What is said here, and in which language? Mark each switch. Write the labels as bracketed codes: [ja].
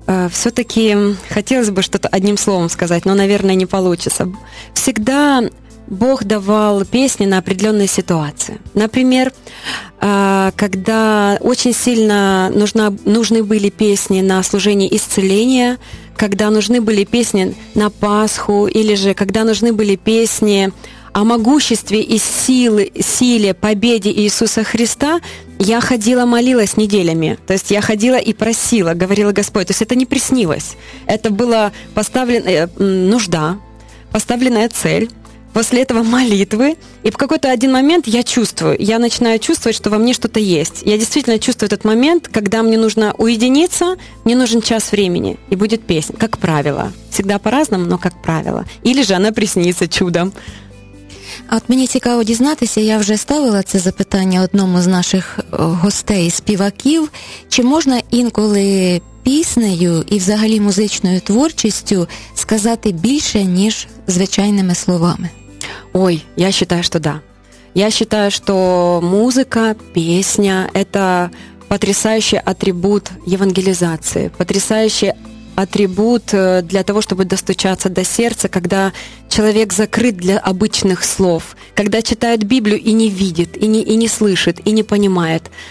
[uk] Все-таки хотілося б щось одним словом сказати, але, мабуть, не вийде. Всегда Бог давав пісні на определенні ситуації. Наприклад, коли дуже сильно нужны були пісні [ru] на служение исцеления, когда нужны были песни на Пасху, или же когда нужны были песни о могуществе и силе, победе Иисуса Христа, я ходила, молилась неделями. То есть я ходила и просила, говорила Господь. То есть это не приснилось. Это была поставленная нужда, поставленная цель. После этого молитвы, и в какой-то один момент я чувствую, я начинаю чувствовать, что во мне что-то есть. Я действительно чувствую этот момент, когда мне нужно уединиться, мне нужен час времени, и будет песня, как правило. Всегда по-разному, но как правило. Или же она приснится чудом. [uk] От мені цікаво дізнатися, я вже ставила це запитання одному з наших гостей, співаків. Чи можна інколи піснею і взагалі музичною творчістю сказати більше, ніж звичайними словами? [ru] Ой, я считаю, что да. Я считаю, что музыка, песня – это потрясающий атрибут евангелизации, потрясающий атрибут для того, чтобы достучаться до сердца, когда человек закрыт для обычных слов, когда читает Библию и не видит, и не слышит, и не понимает.